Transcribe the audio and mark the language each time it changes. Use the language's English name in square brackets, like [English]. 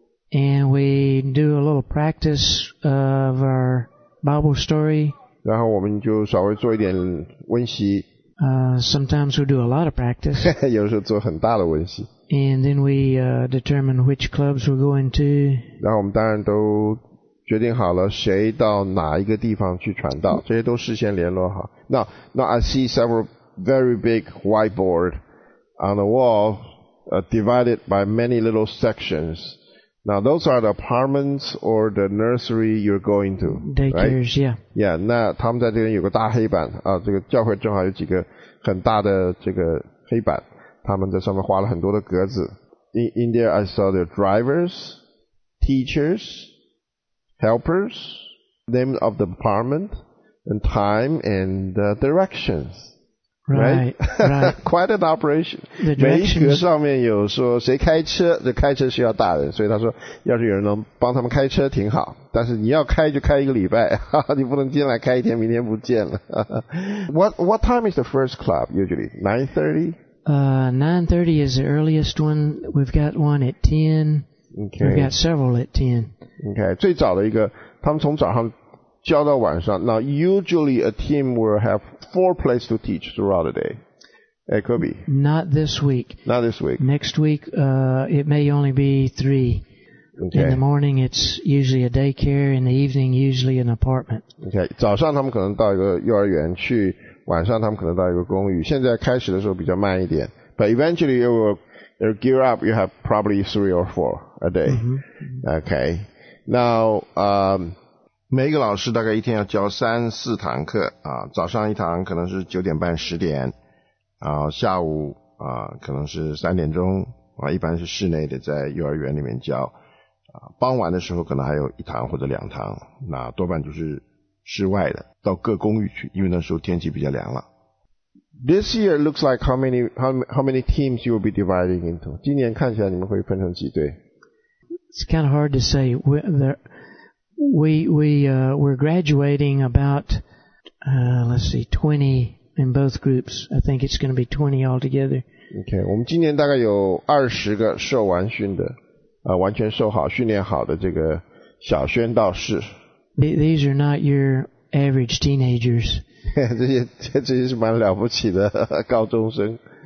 [English] And we do a little practice of our Bible story. [Chinese] 然后我们就稍微做一点温习。 [English] Sometimes we do a lot of practice. [Chinese] 有时候做很大的温习。 [English] And then we determine which clubs we're going to. [Chinese] 然后我们当然都决定好了谁到哪一个地方去传道，这些都事先联络好。 [English] Now I see several very big whiteboard on the wall, divided by many little sections. Now those are the apartments or the nursery you're going to. Daycares,、 right? yeah. [Chinese] Yeah, 那他们在这边有个大黑板啊，这个教会正好有几个很大的这个黑板。他们在上面画了很多的格子。 [English] In there, I saw the drivers, teachers, helpers, name of the department, and time and the directions. Right. Quite an operation. The directions. [Chinese] 每一格上面有说谁开车，这开车需要大人，所以他说要是有人能帮他们开车挺好，但是你要开就开一个礼拜，你不能进来开一天，明天不见了。 [English] What time is the first club usually? 9:30? 9:30 is the earliest one. We've got one at 10. Okay. We've got several at 10. Okay. [Chinese] 最早的一个，他们从早上教到晚上。 [English] Now, usually a team will have 4 places to teach throughout the day. It could be. Not this week. Next week, it may only be 3. Okay. In the morning, it's usually a daycare. In the evening, usually an apartment. Okay. [Chinese] 早上他们可能到一个幼儿园去。晚上他们可能到一个公寓，现在开始的时候比较慢一点。 [English] But eventually you will gear up, you have probably 3 or 4 a day.、 Mm-hmm. Okay. [Chinese] Now, 每个老师大概一天要教3-4堂课啊，早上一堂可能是9:30-10:00，然后下午可能是3点钟啊，一般是室内的在幼儿园里面教啊，傍晚的时候可能还有一堂或者两堂，那多半就是室外的到各公寓去，因为那时候天气比较凉了。 [English] This year looks like how many teams you will be dividing into. [Chinese] 今年看起来你们会分成几队？ [English] It's kind of hard to say. We're graduating about, let's see, 20 in both groups. I think it's going to be 20 altogether. [Chinese] Okay, 我们今年大概有20个受完训的，完全受好训练好的这个小宣道士。 [English] These are not your average teenagers. [Chinese] 这些是蛮了不起的高中生。